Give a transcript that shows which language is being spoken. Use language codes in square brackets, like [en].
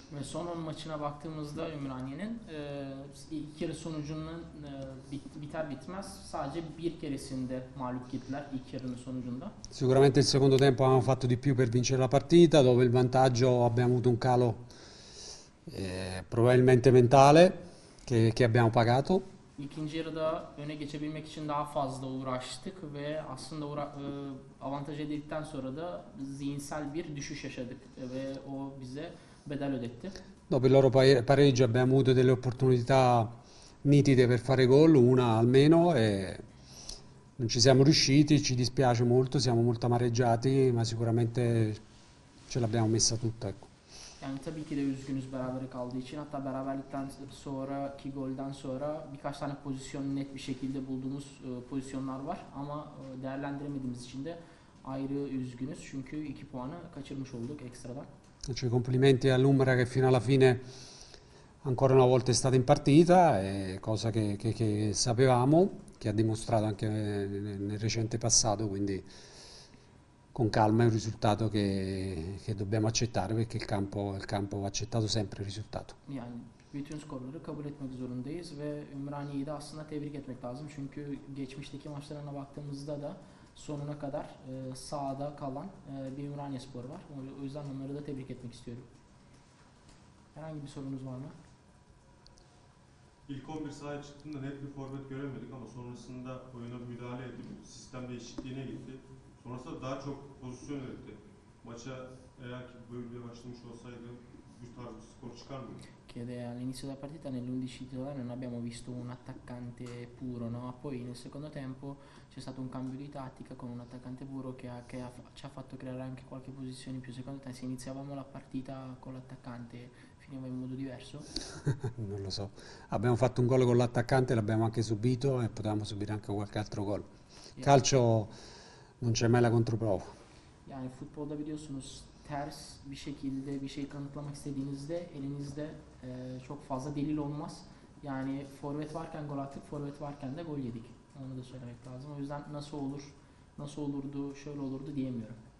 [it] Mi sono immaginato un sdoio in Ranien, che sono giù bitmas, sa che birchere sende malukitler, che sono giù. Sicuramente il secondo tempo abbiamo fatto di più per vincere la partita, dove il vantaggio abbiamo avuto un calo probabilmente mentale che abbiamo pagato. [tr] Il kinjir da öne geçebilmek için daha fazla uğraştık ve aslında avantaj edildikten sonra da zihinsel bir düşüş yaşadık ve o bize bedel ödetti. [it] Dopo il loro pareggio abbiamo avuto delle opportunità nitide per fare gol, una almeno, e non ci siamo riusciti, ci dispiace molto, siamo molto amareggiati, ma sicuramente ce l'abbiamo messa tutta, ecco. [tr] Yani tabii ki de üzgünüz beraber kaldığı için. Hatta beraberlikten sonraki golden sonra birkaç tane pozisyon net bir şekilde bulduğumuz pozisyonlar var. Ama değerlendiremediğimiz için de ayrı üzgünüz. Çünkü 2 puanı kaçırmış olduk ekstradan. [it] Faccio i complimenti all'Umbra che fino alla fine ancora una volta è stata in partita, cosa che sapevamo, che ha dimostrato anche nel recente passato, quindi con calma è un risultato che dobbiamo accettare perché il campo ha accettato sempre il risultato. [tr] Yani bütün skorları kabul etmek zorundayız ve Ümraniye'yi de aslında tebrik etmek lazım. Çünkü geçmişteki maçlarına baktığımızda da sonuna kadar sahada kalan bir Ümraniye sporu var. O yüzden onları da tebrik etmek istiyorum. Herhangi bir sorunuz var mı? İlk 11 sahaya çıktığında net bir forvet göremedik ama sonrasında oyuna müdahale edip sistem değişikliğine gitti. Sonrasında daha çok pozisyon üretti. Maça eğer ki böyle başlamış olsaydı bir tarz bir skor çıkar mıydı? [it] All'inizio della partita nell'11 titolare non abbiamo visto un attaccante puro, no? Poi nel secondo tempo c'è stato un cambio di tattica con un attaccante puro ci ha fatto creare anche qualche posizione in più. Secondo te, se iniziavamo la partita con l'attaccante, finiva in modo diverso? Non lo so, abbiamo fatto un gol con l'attaccante, l'abbiamo anche subito e potevamo subire anche qualche altro gol. Calcio non c'è mai la controprova. [tr] Yani futbolda biliyorsunuz ters bir şekilde bir şey kanıtlamak istediğinizde elinizde çok fazla delil olmaz. Yani forvet varken gol attık, forvet varken de gol yedik. Onu da söylemek lazım. O yüzden nasıl olur, nasıl olurdu, şöyle olurdu diyemiyorum.